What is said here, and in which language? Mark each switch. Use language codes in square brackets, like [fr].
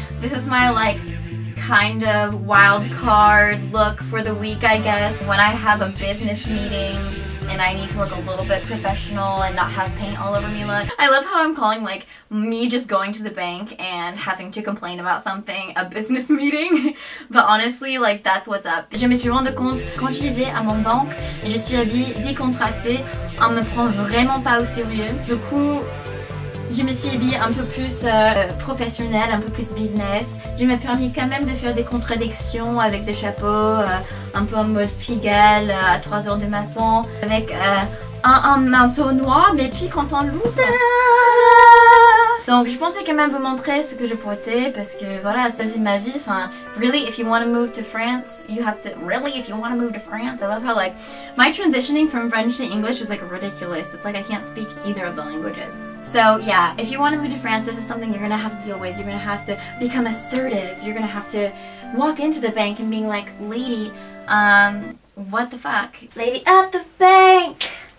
[en] This is my like kind of wild card look for the week, I guess. When I have a business meeting and I need to look a little bit professional and not have paint all over me look. I love how I'm calling like me just going to the bank and having to complain about something a business meeting. But honestly, like that's what's up. [fr] Je me suis rendu compte quand j'y vais à mon banque et je suis habillée décontractée, on me prend vraiment pas au sérieux. Du coup, je me suis habillée un peu plus professionnelle, un peu plus business. Je m'ai permis quand même de faire des contradictions avec des chapeaux, un peu en mode pigalle à 3h du matin, avec un manteau noir, mais puis quand on l'ouvre, Donc je pensais quand même vous montrer ce que je portais parce que voilà, ça c'est ma vie. [en] Enfin, really, if you want to move to France, you have to. Really, if you want to move to France, I love how like my transitioning from French to English is like ridiculous. It's like I can't speak either of the languages. So yeah, if you want to move to France, this is something you're gonna have to deal with. You're gonna have to become assertive. You're gonna have to walk into the bank and being like, lady, what the fuck, lady at the bank.